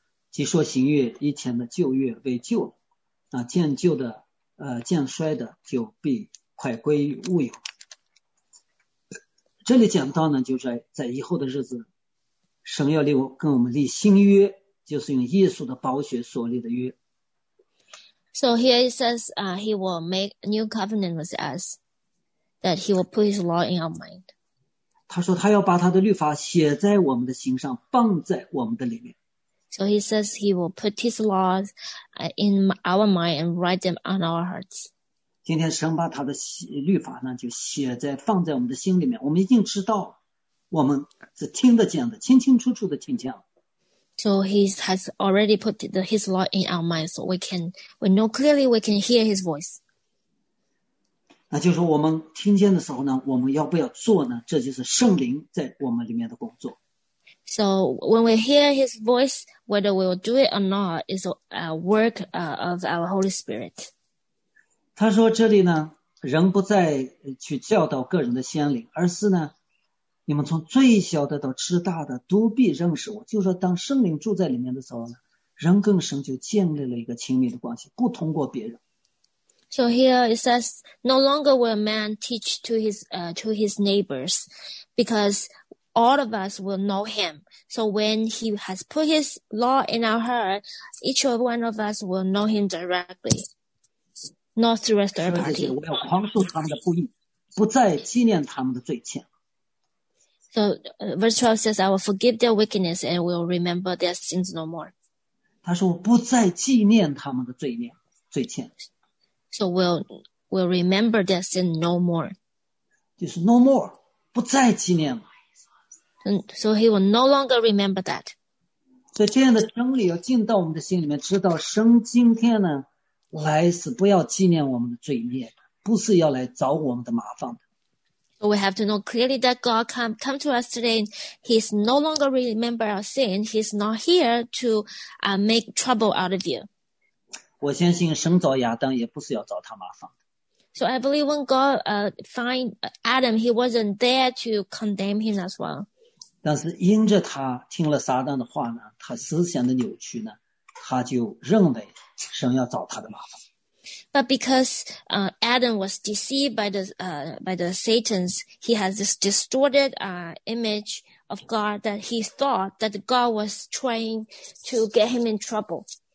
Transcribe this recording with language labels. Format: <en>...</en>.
<zh>即说行月以前的旧月为旧了，那渐旧的渐衰的就必快归于物有。这里讲到呢，就是在以后的日子，神要跟我们立新约，就是用耶稣的宝血所立的约。</zh> <en>So here it says, he will make a new covenant with us, that he will put his law in our mind.</en> <zh>他说他要把他的律法写在我们的心上，放在我们的里面。</zh> <en>So he says he will put his laws in our mind and write them on our hearts.</en> <zh>今天神把他的律法呢，就写在放在我们的心里面。我们已经知道，我们是听得见的，清清楚楚的听见了。</zh> <en>So he has already put his law in our mind, so we know clearly we can hear his voice.</en> <zh>那就是我们听见的时候呢，我们要不要做呢？这就是圣灵在我们里面的工作。</zh> <en>So when we hear his voice, whether we will do it or not is a work of our Holy Spirit.</en> <zh>他说这里呢，人不再去教导个人的先灵，而是呢，你们从最小的到至大的都必认识我，就是说当圣灵住在里面的时候呢，人跟神就建立了一个亲密的关系，不通过别人。</zh> <en>So here it says, no longer will man teach to his neighbors, because all of us will know him. So when he has put his law in our heart, each one of us will know him directly, not through a third party.</en> <zh>我要宽恕他们的不义，不再纪念他们的罪愆。</zh> <en>So verse 12 says, I will forgive their wickedness and will remember their sins no more.</en> <zh>他说我不再纪念他们的罪愆。</zh> <en>So we'll remember their sin no more.</en> <zh>就是</zh> <en>no more,</en> <zh>不再纪念了。</zh> <en>So he will no longer remember that.</en> <zh>所以这样的真理要进到我们的心里面，知道神今天呢，来是不要纪念我们的罪孽，不是要来找我们的麻烦的。</zh> <en>We have to know clearly that God come to us today. He's no longer remember our sin. He's not here to make trouble out of you.</en> <zh>我相信神找亚当也不是要找他麻烦。</zh> <en>So I believe when God find Adam, he wasn't there to condemn him as well.</en> <zh>但是因着他听了撒旦的话呢，他思想的扭曲呢，他就认为神要找他的麻烦。</zh> <en>But because Adam was deceived by the Satan's, he has this distorted image of God that he thought that God was trying to get him in trouble.</en>